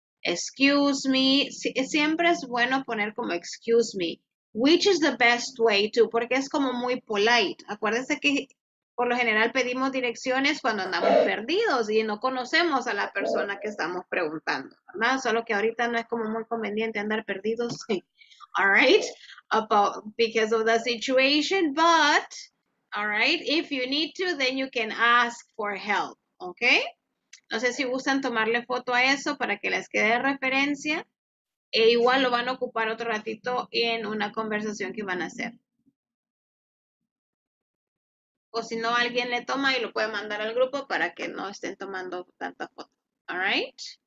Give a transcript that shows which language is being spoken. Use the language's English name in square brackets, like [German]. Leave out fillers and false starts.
[English] Excuse me, [Spanish] siempre es bueno poner como [English] excuse me. Which is the best way to, [Spanish] porque es como muy [English] polite. [Spanish] Acuérdense que por lo general pedimos direcciones cuando andamos perdidos y no conocemos a la persona que estamos preguntando, ¿verdad? Solo que ahorita no es como muy conveniente andar perdidos. [English] All right, about because of the situation, but all right, if you need to, then you can ask for help, okay? [Spanish] No sé si gustan tomarle foto a eso para que les quede referencia, e igual lo van a ocupar otro ratito en una conversación que van a hacer. O si no, alguien le toma y lo puede mandar al grupo para que no estén tomando tanta foto, [English] all right?